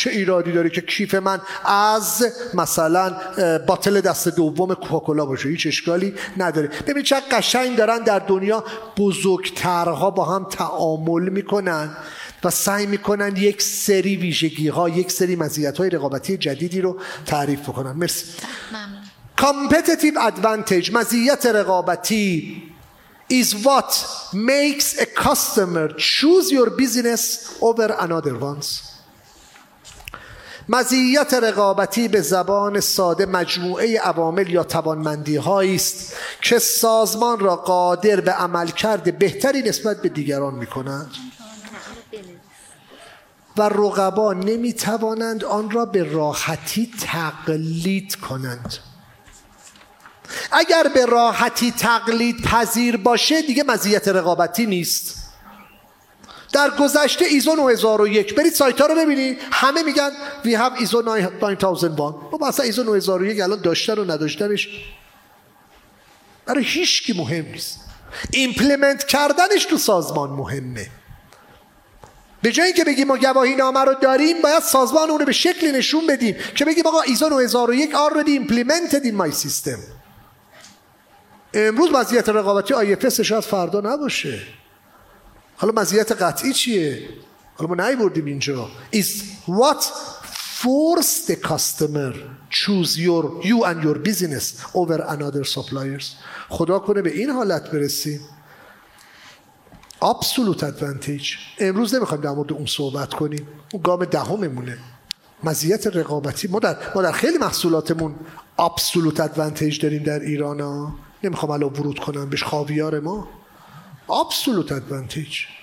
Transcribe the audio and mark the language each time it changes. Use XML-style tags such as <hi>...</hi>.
<fa>چه ایرادی داره که کیف من از مثلا باتل دست دوم کوکاکولا باشه؟ هیچ اشکالی نداره. ببین چه قشنگ دارن در دنیا بزرگترها با هم تعامل میکنن و سعی میکنن یک سری ویژگی ها، یک سری مزیت های رقابتی جدیدی رو تعریف بکنن. مرسی.</fa> <en>competitive advantage,</en> <fa>مزیت رقابتی،</fa> <en>is what makes a customer choose your business over another ones.</en> <fa>مزیت رقابتی به زبان ساده مجموعه عوامل یا توانمندی هایی است که سازمان را قادر به عملکرد بهتری نسبت به دیگران می کنند و رقبا نمی توانند آن را به راحتی تقلید کنند. اگر به راحتی تقلید پذیر باشه دیگه مزیت رقابتی نیست. در گذشته ایزو 9001 برید سایت ها رو ببینید، همه میگن</fa> <en>we have</en> <fa>ایزو 9001. بابا اصلا ایزو 9001 الان داشتن و نداشتنش برای هیچ کی مهم نیست، ایمپلمنت کردنش تو سازمان مهمه. به جای اینکه بگیم ما گواهی نامه رو داریم، باید سازمان اون رو به شکلی نشون بدیم که بگیم آقا ایزو 9001</fa> <en>already implemented in my system.</en> <fa>امروز مزیت رقابتی IFS شاید فردا نباشه. حالا مزیت قطعی چیه؟ حالا ما نیوردیم اینجا.</fa> <en>Is what forced the customer choose your you and your business over another suppliers.</en> <fa>خدا کنه به این حالت برسیم.</fa> <en>Absolute advantage.</en> <fa>امروز نمیخوایم در مورد اون صحبت کنیم. اون گام دهممونه. مزیت رقابتی ما در خیلی محصولاتمون absolute advantage داریم در ایران ها. نمیخوام الان ورود کنم بهش، خاویار ما absolute advantage.</fa>